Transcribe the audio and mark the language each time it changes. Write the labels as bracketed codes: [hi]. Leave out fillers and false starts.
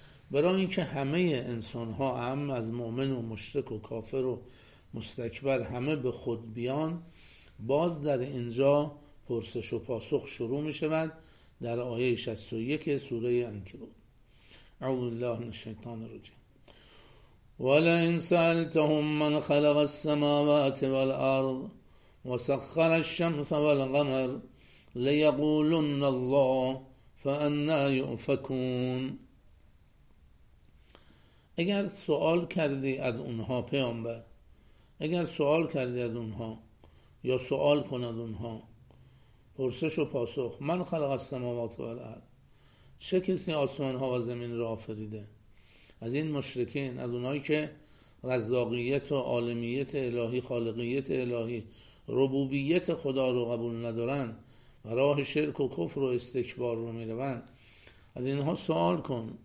[fa] برای این که همه انسان ها هم از مؤمن و مشرک و کافر و مستکبر همه به خود بیان، باز در اینجا پرسش و پاسخ شروع می شود در آیه 61 سوره عنکبوت. [ar] اعوذ بالله من الشیطان الرجیم. ولئن سألتهم من خلق السماوات والأرض وسخر الشمس والقمر ليقولن الله فأنا يؤفكون. [fa] اگر سوال کردی از اونها پیامبر، اگر سوال کردی از اونها یا سوال کند اونها، پرسش و پاسخ، [ar] من خلق السماوات و الارض، [fa] چه کسی آسمان ها و زمین را آفریده؟ از این مشرکین، از اونایی که رزاقیت و عالمیت الهی، خالقیت الهی، ربوبیت خدا رو قبول ندارن و راه شرک و کفر و استکبار رو میروند، از اینها سوال کن.